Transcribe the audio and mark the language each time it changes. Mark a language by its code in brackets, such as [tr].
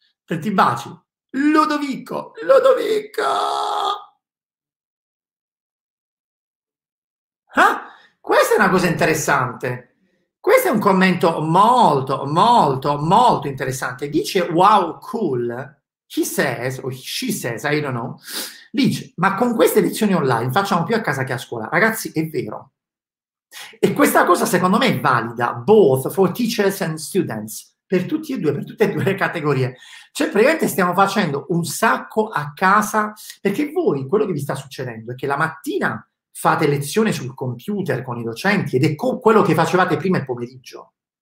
[it] E ti baci, Ludovico, Ludovico! Ah, questa è una cosa interessante. Questo è un commento molto, molto, molto interessante. Dice, [en] wow, cool. He says, or she says, I don't know. [it] Dice, ma con queste lezioni online facciamo più a casa che a scuola. Ragazzi, è vero. E questa cosa secondo me è valida, [en] both for teachers and students, [it] per tutti e due, per tutte e due le categorie. Cioè, praticamente stiamo facendo un sacco a casa, perché voi, quello che vi sta succedendo è che la mattina fate lezione sul computer con i docenti ed è quello che facevate prima il pomeriggio.